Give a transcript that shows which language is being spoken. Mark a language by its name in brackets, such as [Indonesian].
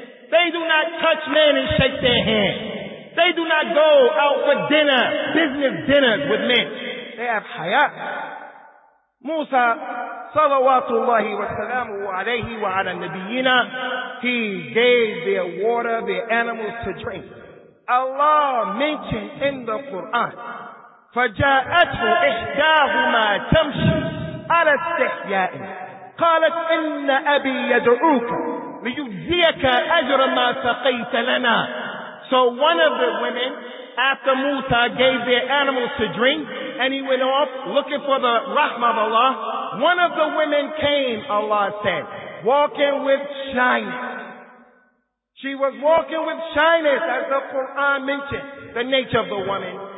[English] They do not touch men and shake their hands. They do not go out for dinner, business dinners with men. They have haya. Musa, [Arabic] salawatullahi wa salamu alayhi wa ala nabiyyina, [English] he gave their water, their animals to drink. Allah mentioned in the Quran, [Arabic] فَجَاءَتْهُ إِحْدَاهُمَا تَمْشِي عَلَى اسْتِحْيَاءٍ قَالَتْ إِنَّ أَبِي يَدْعُوكَ لِيُجْزِيَكَ أَجْرَ مَا سَقَيْتَ لَنَا. [English] So one of the women, after Musa gave their animals to drink, and he went off looking for the rahmah of Allah, one of the women came, Allah said, walking with shyness. She was walking with shyness, as the Quran mentioned, the nature of the woman.